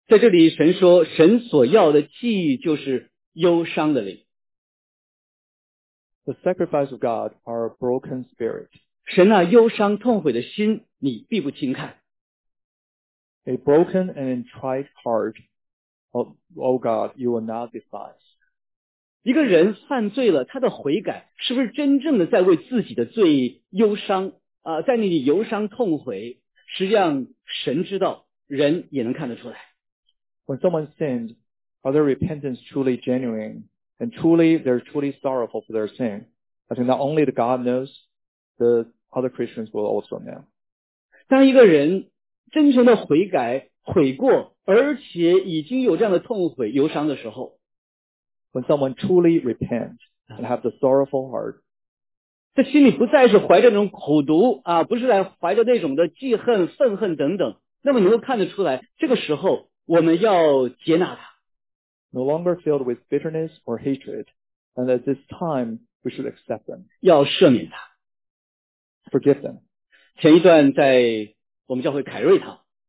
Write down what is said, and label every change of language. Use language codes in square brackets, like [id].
[zh] 在这里神说神所要的祭就是忧伤的灵。 [en] The sacrifice of God are a broken spirit. [zh] 神啊忧伤痛悔的心你必不轻看。 [en] A broken and contrite heart, O God, you will not despise. [zh] 一个人犯罪了他的悔改是不是真正的在为自己的罪忧伤啊，在那里忧伤痛悔实际上神知道人也能看得出来。 [en] When someone sins, are their repentance truly genuine? And truly, they're truly sorrowful for their sin. I think not only the God knows, the other Christians will also know. [zh] 当一个人真诚的悔改悔过而且已经有这样的痛悔忧伤的时候。 [en] When someone truly repents and have the sorrowful heart, [zh] 这心里不再是怀着那种苦毒啊，不是来怀着那种的记恨愤恨等等，那么你会看得出来这个时候我们要接纳他。 [en] No longer filled with bitterness or hatred, and at this time we should accept them. [zh] 要赦免他。 [en] Forgive them. [zh] 前一段在我们教会凯瑞堂。